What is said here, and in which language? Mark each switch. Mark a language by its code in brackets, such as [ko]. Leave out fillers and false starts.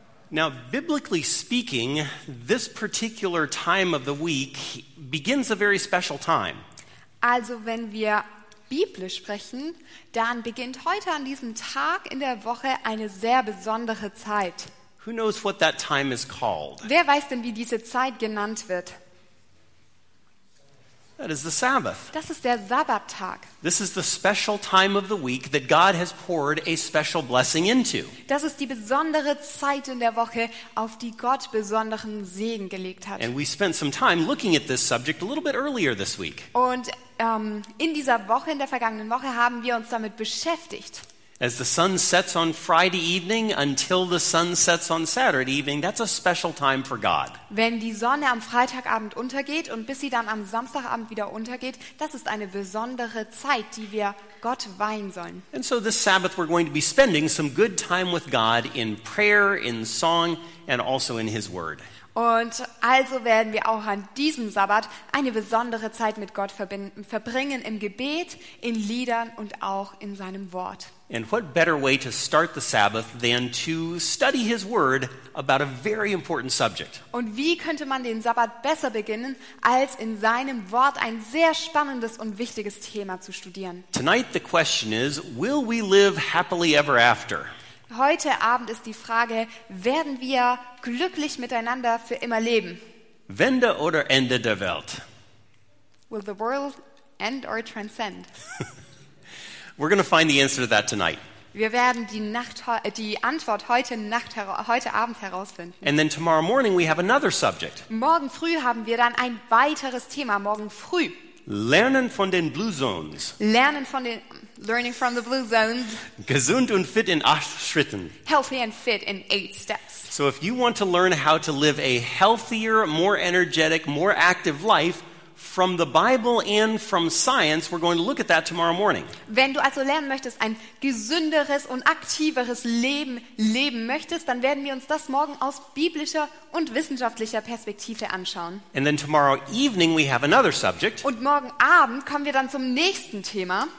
[en] Now, biblically speaking, this particular time of the week begins a very special time. [de] Also, wenn wir biblisch sprechen, dann beginnt heute an diesem Tag in der Woche eine sehr besondere Zeit. [en] Who knows what that time is called? [de] Wer weiß denn, wie diese Zeit genannt wird? [en] That is the Sabbath. [de] Das ist der Sabbattag. [en] This is the special time of the week that God has poured a special blessing into. [de] Das ist die besondere Zeit in der Woche, auf die Gott besonderen Segen gelegt hat. [en] And we spent some time looking at this subject a little bit earlier this week. [de] Und in dieser Woche, in der vergangenen Woche, haben wir uns damit beschäftigt. [en] As the sun sets on Friday evening until the sun sets on Saturday evening, that's a special time for God. [de] Wenn die Sonne am Freitagabend untergeht und bis sie dann am Samstagabend wieder untergeht, das ist eine besondere Zeit, die wir Gott weihen sollen. [en] And so this Sabbath we're going to be spending some good time with God in prayer, in song, and also in his word. [de] Und also werden wir auch an diesem Sabbat eine besondere Zeit mit Gott verbringen im Gebet, in Liedern und auch in seinem Wort. [en] And what better way to start the Sabbath than to study his word about a very important subject? [de] Und wie könnte man den Sabbat besser beginnen, als in seinem Wort ein sehr spannendes und wichtiges Thema zu studieren? [en] Tonight the question is, will we live happily ever after? [de] Heute Abend ist die Frage, werden wir glücklich miteinander für immer leben? Wende oder Ende der Welt? [en] Will the world end or transcend? We're going to find the answer to that tonight. [de] Wir werden die Antwort heute Abend herausfinden. [en] And then tomorrow morning we have another subject. [de] Morgen früh haben wir dann ein weiteres Thema, morgen früh. Lernen von den Blue Zones. [en] Learning from the Blue Zones. [de] Gesund und fit in 8 Schritten. [en] Healthy and fit in 8 steps. So if you want to learn how to live a healthier, more energetic, more active life from the Bible and from science, we're going to look at that tomorrow morning. [de] Wenn du also lernen möchtest, ein gesünderes und aktiveres Leben leben möchtest, dann werden wir uns das morgen aus biblischer und wissenschaftlicher Perspektive anschauen. [en] And then tomorrow evening we have another subject. [de] Und morgen Abend kommen wir dann zum nächsten Thema.